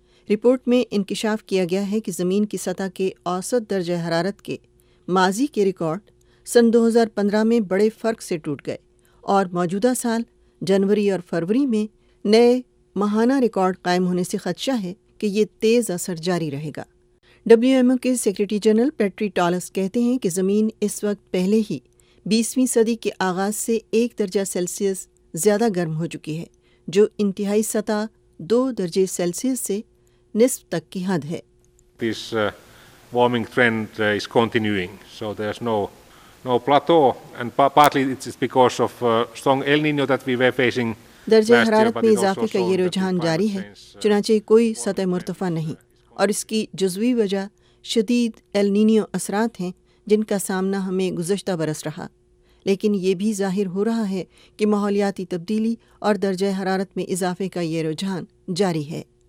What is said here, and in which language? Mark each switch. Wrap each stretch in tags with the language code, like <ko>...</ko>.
<ur>Report میں انکشاف کیا گیا ہے کہ زمین کی سطح کے اوسط درجہ حرارت کے ماضی کے ریکارڈ 2015 میں بڑے فرق سے ٹوٹ گئے اور موجودہ سال جنوری اور فروری میں نئے ماہانہ ریکارڈ قائم ہونے سے خدشہ ہے کہ یہ تیز اثر جاری رہے گا۔ ڈبلیو ایم او کے سیکرٹری جنرل پیٹری ٹالس کہتے ہیں کہ زمین اس وقت پہلے ہی بیسویں صدی کے آغاز سے ایک درجہ سیلسیس زیادہ گرم ہو چکی ہے، جو انتہائی سطح 2 درجے سیلسیس سے نصف تک کی حد ہے۔</ur> <en>This warming trend is continuing, so there's no plateau, and partly it's because of strong El Nino that we were facing.</en> <ur>درجہ حرارت میں اضافے کا یہ رجحان جاری ہے، چنانچہ کوئی سطح مرتفع نہیں، اور اس کی جزوی وجہ شدید ایل نینیو اثرات ہیں جن کا سامنا ہمیں گزشتہ برس رہا، لیکن یہ بھی ظاہر ہو رہا ہے کہ ماحولیاتی تبدیلی اور درجہ حرارت میں اضافے کا یہ رجحان جاری ہے۔</ur>